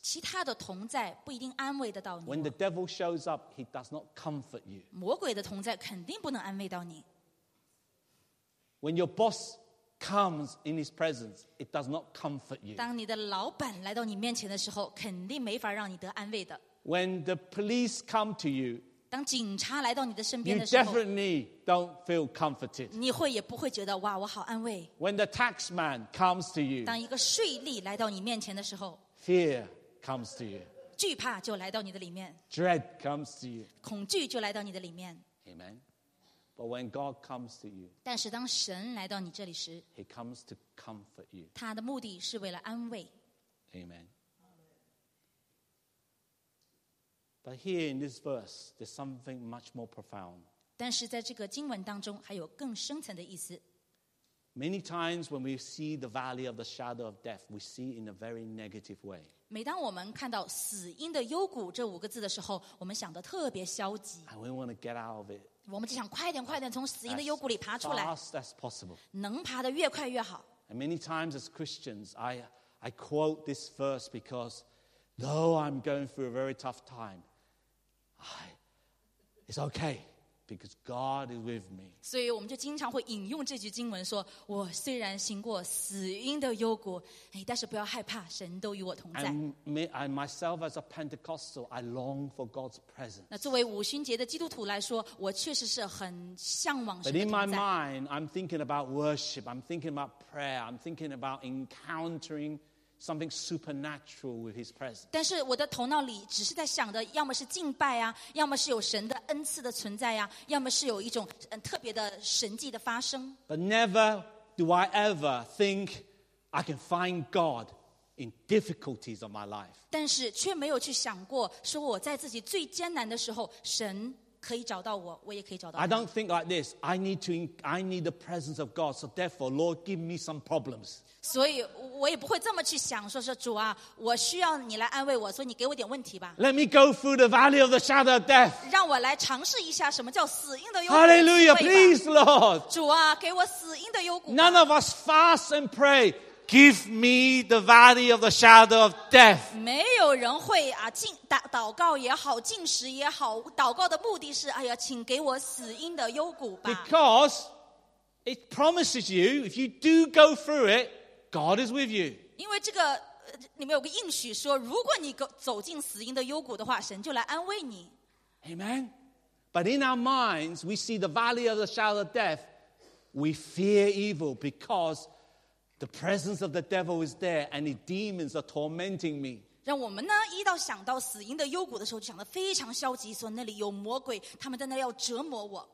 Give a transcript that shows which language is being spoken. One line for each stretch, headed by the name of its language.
Chinese: 其他的同在不一定安慰得到你。
English: When the devil shows up, he does not comfort you.
Chinese: 魔鬼的同在肯定不能安慰到你。
English: When your boss comes in his presence, it does not comfort you.
Chinese: 当你的老板来到你面前的时候，肯定没法让你得安慰的。
English: When the police come to you,
Chinese: 当警察来到你的身边的时候，
English: you definitely don't feel comforted.
Chinese: 你会也不会觉得哇，我好安慰。
English: When the taxman comes to you,
Chinese: 当一个税吏来到你面前的时候，
English: fear comes to you.
Chinese: 惧怕就来到你的里面。
English: Dread comes to you.
Chinese: 恐惧就来到你的里面。
English: Amen. But when God comes to you,
Chinese: 但是当神来到你这里时
English: He comes to comfort you.
Chinese: 他的目的是为了安慰。
English: Amen. But here in this verse, there's something much more profound.
Chinese: 但是在这个经文当中还有更深层的意思。
English: Many times when we see the valley of the shadow of death, we see in a very negative way.
Chinese: 每当我们看到死荫的幽谷这五个字的时候，我们想得特别消极。
English: And we want to get out of it.
Chinese: 我们就想快点快点从死荫的幽谷里爬出来
English: as fast as possible.
Chinese: 能爬得越快越好
English: And many times as Christians I quote this verse because though I'm going through a very tough time it's okay because God is with me
Chinese: 所以我们就经常会引用这句经文说我虽然行过死荫的幽谷、哎、但是不要害怕神都与我同在
English: I myself as a Pentecostal I long for God's presence
Chinese: 那作为五旬节的基督徒来说我确实是很向往神的同在
English: But in my mind I'm thinking about worship I'm thinking about prayer I'm thinking about encounteringSomething supernatural with his presence.
Chinese: 但是我的头脑里只是在想的要么是敬拜啊要么是有神的恩赐的存在啊要么是有一种特别的神迹的发生。
English: But never do I ever think I can find God in difficulties of my life.
Chinese: 但是却没有去想过说我在自己最艰难的时候神可以找到我我也可以找到他。
English: I don't think like this. I need the presence of God. So therefore, Lord, give me some problems.
Chinese: 所以我也不会这么去想说是主啊我需要你来安慰我所以你给我点问题吧
English: Let me go through the valley of the shadow of death
Chinese: 让我来尝试一下什么叫死荫的幽谷
English: Hallelujah, please Lord
Chinese: 主啊给我死荫的幽谷
English: None of us fast and pray Give me the valley of the shadow of death
Chinese: 没有人会、啊、祷告也好禁食也好祷告的目的是哎呀，请给我死荫的幽谷吧
English: BecauseIt promises you, if you do go through it, God is with you.
Chinese: 因为这个里面有个应许说，如果你走进死荫的幽谷的话，神就来安慰你。
English: Amen. But in our minds, we see the valley of the shadow of death. We fear evil because the presence of the devil is there and the demons are tormenting me.
Chinese: 让我们呢一到想到死荫的幽谷的时候就想得非常消极说那里有魔鬼他们在那里要折磨我